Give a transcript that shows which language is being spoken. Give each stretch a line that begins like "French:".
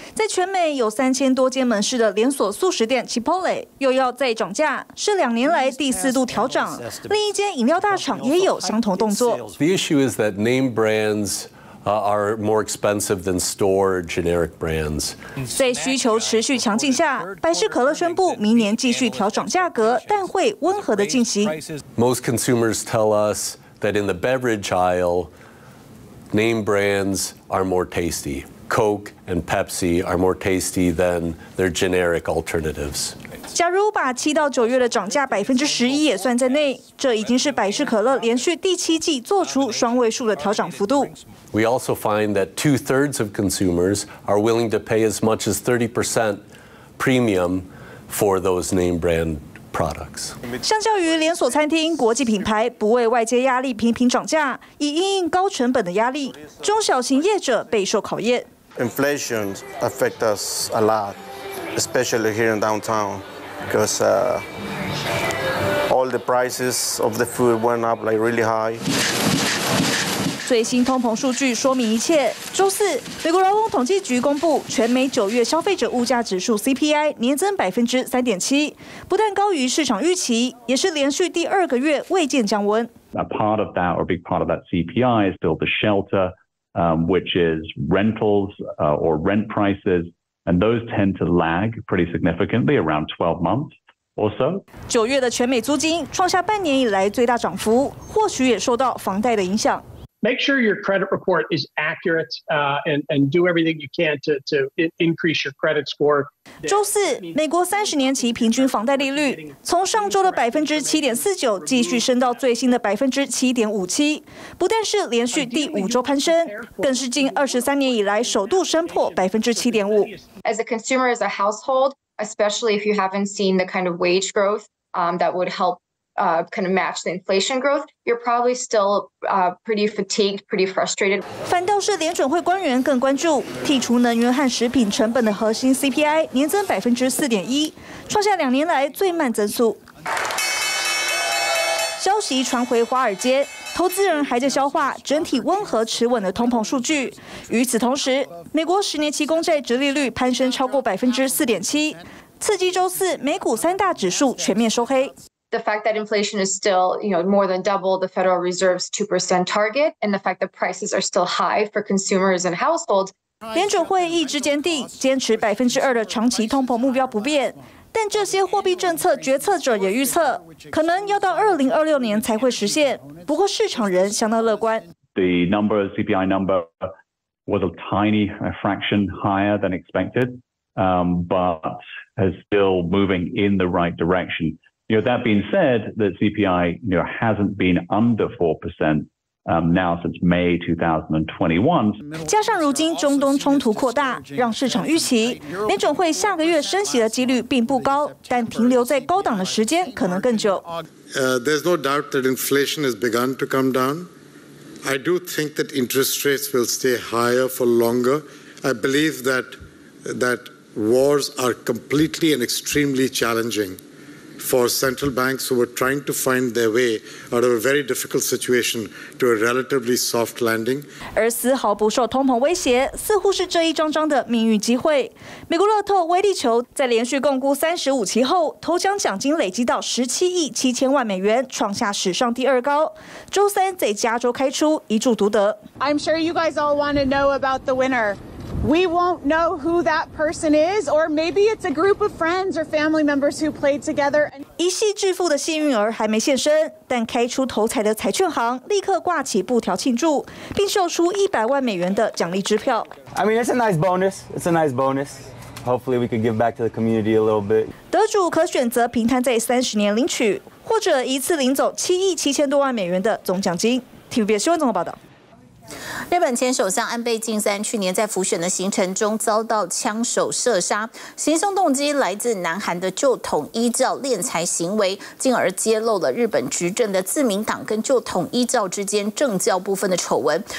Chinese: 在全美有3000多间门市的连锁素食店 Chipotle 又要再涨价，是2年来第4度调涨。另一间饮料大厂也有相同动作。
English: The issue is that name brands. Are more expensive than store generic brands.
Chinese: 在需求持续强劲下，百事可乐宣布明年继续调涨价格，但会温和的进行。
English: Most consumers tell us that in the beverage aisle, name brands are more tasty. Coke and Pepsi are more tasty than their generic alternatives.
Chinese: 假如把7到9月的涨价11%也算在内，这已经是百事可乐连续第7季做出双位数的调涨幅度。
English: We also find that 2/3 of consumers are willing to pay as much as 30% premium for those name brand products.
Chinese: 相较于连锁餐厅，国际品牌不畏外界压力频频涨价，以因应高成本的压力，中小型业者备受考验。
English: Inflation affects us a lot. Especially here in downtown, because all the prices of the food went up like really high.
Chinese: 最新通膨数据说明一切。周四，美国劳工统计局公布全美九月消费者物价指数 CPI 年增3.7%，不但高于市场预期，也是连续第二个月未见降温。
English: A part of that, or a big part of that CPI, is still the shelter, which is rentals, or rent prices. And those tend to lag pretty significantly around 12 months or so.
Chinese: 九月的全美租金创下半年以来最大涨幅，或许也受到房贷的影响。
English: Make sure your credit report is accurate, and do everything you can to increase your credit score.
Chinese: 周四，美国30年期平均房贷利率从上周的7.49%继续升到最新的7.57%，不但是连续第5周攀升，更是近23年以来首度升破7.5%。
English: As a consumer, as a household, especially if you haven't seen the kind of wage growth, that would help. Kind of match the inflation growth, you're probably still pretty fatigued, pretty frustrated.
Chinese: 反倒是联准会官员更关注剔除能源和食品成本的核心 CPI 年增4.1%，创下2年来最慢增速。消息传回华尔街，投资人还在消化整体温和持稳的通膨数据。与此同时，美国10年期公债殖利率攀升超过4.7%，刺激周四美股三大指数全面收黑。
English: The fact that inflation is still, you know, more than double the Federal Reserve's 2% target, and the fact that prices are still high for consumers and households.
Chinese: 联准会意志坚定，坚持2%的长期通膨目标不变。但这些货币政策决策者也预测，可能要到2026年才会实现。不过市场人相当乐观。
English: The number, CPI number, was a tiny fraction higher than expected, but is still moving in the right direction.You know, that being said, that CPI, you know, hasn't been under 4%, Now since May 2021.
Chinese: 加上如今中东冲突扩大，让市场预期联准会下个月升息的几率并不高，但停留在高档的时间可能更久。
English: There's no doubt that inflation has begun to come down. I do think that interest rates will stay higher for longer. I believe that wars are completely and extremely challenging for central banks who were trying to find their way out of a very difficult situation to a relatively soft landing.
Chinese: 而丝毫不受通膨威胁，似乎是这一桩桩的命运机会。美国乐透威力球在连续共估35期后，头奖奖金累积到17亿7千万美元，创下史上第二高。周三在加州开出，一注独得。
English: I'm sure you guys all want to know about the winner. We won't know who that person is, or maybe it's a group of friends or family members who played together.
Chinese: 一夕致富的幸运儿还没现身，但开出头彩的彩券行立刻挂起布条庆祝，并秀出$100万的奖励支票。
English: I mean, it's a nice bonus. It's a nice bonus. Hopefully, we could give back to the community a little bit.
Chinese: 得主可选择平摊在30年领取，或者一次领走7亿7千多万美元的总奖金。 TVBS 新闻综合报道。日本前首相安倍晋三去年在浮选的行程中遭到枪手射杀，行凶动机来自南韩的旧统一教敛财行为，进而揭露了日本执政的自民党跟旧统一教之间政教部分的丑闻。